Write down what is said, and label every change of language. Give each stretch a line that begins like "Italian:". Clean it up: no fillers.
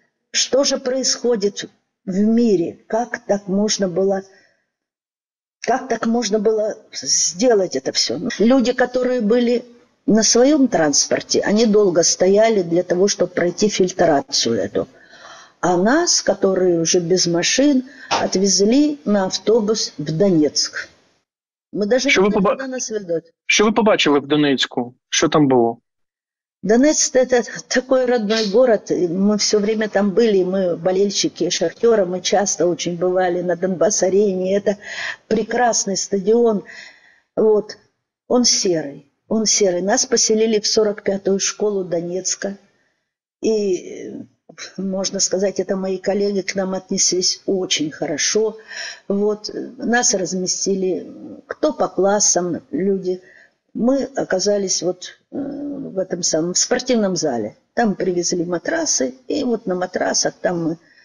Russian: Что же происходит в мире? Как так можно было, как так можно было сделать это все? Люди, которые были на своем транспорте, они долго стояли для того, чтобы пройти фильтрацию эту. А нас, которые уже без машин, отвезли на автобус в Донецк. Мы даже
Ukrainian: що не знали, куди нас ведуть. Що ви побачили в Донецьку? Що там було? Донецьк – це такий рідний город. Ми все время там були, ми болельщики Шахтера, ми часто дуже бували на Донбас-арені. Це прекрасний стадіон. Вот. Он серий. Он серий. Нас поселили в 45-ю школу Донецька.
Russian: І можно сказать, это мои коллеги к нам отнеслись очень хорошо. Вот, нас разместили, кто по классам, люди. Мы оказались вот в этом самом, в спортивном зале. Там привезли матрасы, и вот на матрасах там мы.